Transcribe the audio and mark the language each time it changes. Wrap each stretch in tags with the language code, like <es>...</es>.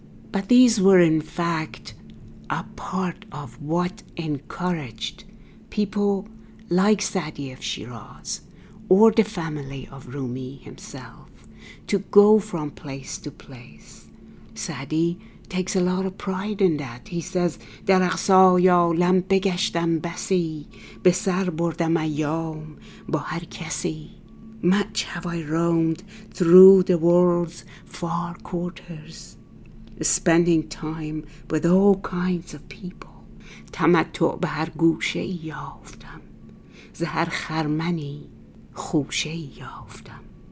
<en>But these were in fact a part of what encouraged people like Sa'di of Shiraz or the family of Rumi himself to go from place to place. Sa'di takes a lot of pride in that. He says,</en> <fa>در اقصای عالم بگشتم بسی به سر بردم ایام با هر کسی.</fa> <en>Much have I roamed through the world's far quarters, spending time with all kinds of people.</en> <fa>تمتع به هر گوشه یافتم زهر خرمنی خوشه یافتم.</fa>